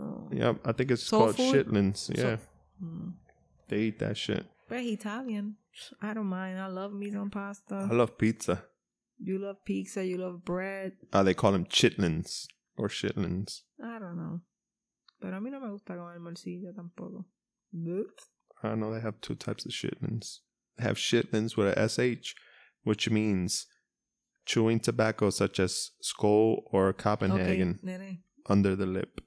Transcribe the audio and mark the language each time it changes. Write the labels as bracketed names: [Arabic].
[English] Yeah, I think it's called food? Shitlins. Yeah. They eat that shit. But Italian. I don't mind. I love meat on pasta. I love pizza. You love pizza, you love bread. They call them chitlins or shitlins. I don't know. [Spanish] Pero a mí no me gusta comer morcilla tampoco. [English] But. I know they have two types of shitlins. They have shitlins with a SH, which means chewing tobacco such as Skoll or Copenhagen under the lip.